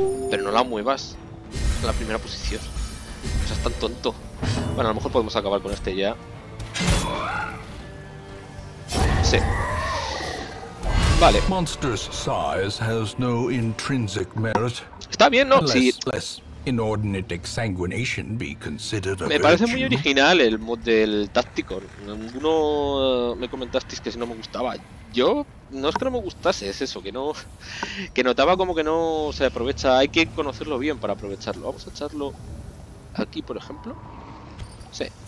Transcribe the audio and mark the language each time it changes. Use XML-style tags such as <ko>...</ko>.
<es>Pero no la muevas a la primera posición. No seas tan tonto. Bueno, a lo mejor podemos acabar con este ya. Sí. Vale.</es> <en>Monster's size has no intrinsic merit.</en> <es>Está bien, ¿no?</es> <en>Sí. Less inordinate exsanguination be considered a</en> <es>virtue. Me parece muy original el mod del táctico. Uno me comentasteis que si no me gustaba. Yo no es que no me gustase, es eso, que notaba como que no se aprovecha. Hay que conocerlo bien para aprovecharlo. Vamos a echarlo aquí, por ejemplo. Sí.</es>